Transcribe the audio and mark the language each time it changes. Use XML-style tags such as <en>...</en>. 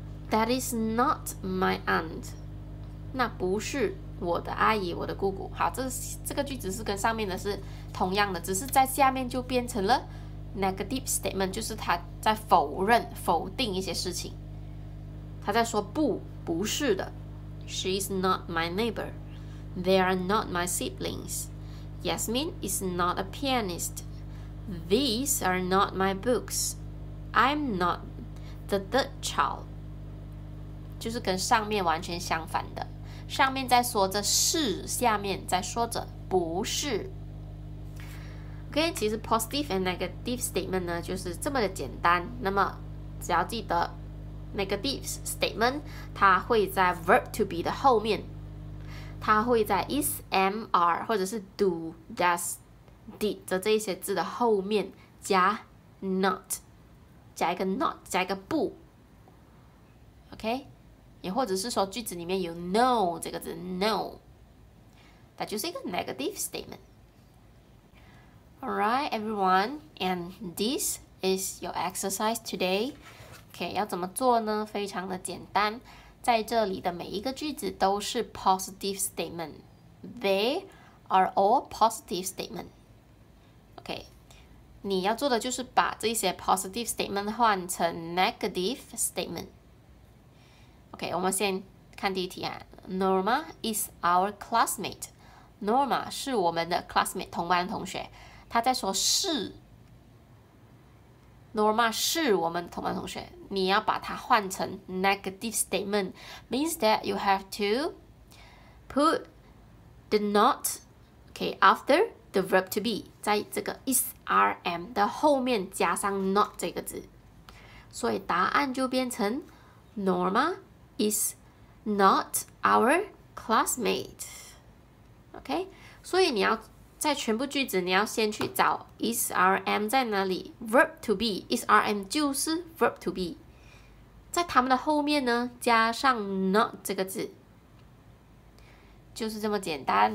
<en>That is not my aunt，</en> <zh>那不是我的阿姨，我的姑姑。好，这个句子是跟上面的是同样的，只是在下面就变成了negative statement， 就是他在否定一些事情，他在说不是的。</zh> <en>She's not my neighbor. They are not my siblings. Yasmin is not a pianist. These are not my books. I'm not the third child.</en> <zh>就是跟上面完全相反的。上面在说着是，下面在说着不是。 OK， 其实 positive and negative statement 呢，就是这么的简单。那么，只要记得 negative statement， 它会在 verb to be 的后面，它会在 is, am, are 或者是 do, does, did 的这些字的后面加 not， 加一个 not， 加一个不。 OK， 也或者是说句子里面有 no 这个字 ，no， 它就是一个 negative statement。</zh> <en>Alright, everyone, and this is your exercise today.</en> <zh>Okay, 要怎么做呢？非常的简单，在这里的每一个句子都是 positive statement.</zh> <en>They are all positive statement.</en> <zh>Okay, 你要做的就是把这些 positive statement 换成 negative statement. Okay, 我们先看第一题啊。</zh> <en>Norma is our classmate.</en> <zh>Norma 是我们的 classmate 同班同学。他在说是 Norma 是我们同班同学，你要把它换成 negative statement</zh> <en>means that you have to put the not okay, after the verb to be</en> <zh>在这个 is, are, am 的后面加上 not 这个字，所以答案就变成</zh> <en>Norma is not our classmate.</en> <zh>Okay, 所以你要在全部句子你要先去找 is, are, am 在哪里， verb to be， is, are, am 就是 verb to be， 在他们的后面呢加上 not 这个字，就是这么简单。</zh>